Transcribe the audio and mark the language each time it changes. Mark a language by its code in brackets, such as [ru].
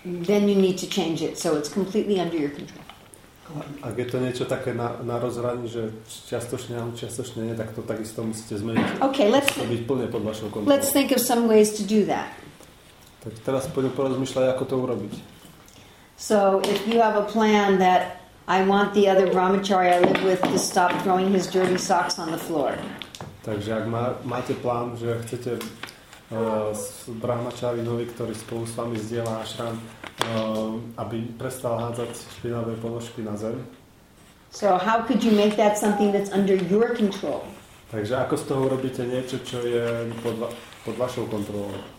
[en] Then you need to change it, so it's completely under your control. [sk] Ak je to niečo také na rozhraní, že čiastočne áno, čiastočne nie, tak to takisto musíte zmeniť. [en] Okay, let's [sk] to byť plne pod vašou kontrolou. [en] Let's think of some ways to do that. [sk] Tak teraz poďme porozmýšľať, ako to urobiť. [en] So, if you have a plan that I want the other brahmacharya I live with to stop throwing his dirty socks on the floor. [sk] Takže ak máte plán, že chcete brahmačari nový, ktorý spolu s vami zdieľa ašram, aby prestal hádzať špinavé ponožky na zem. [en] So how could you make that something that's under your control? [sk] Takže ako z toho urobíte niečo, čo je pod vašou kontrolou?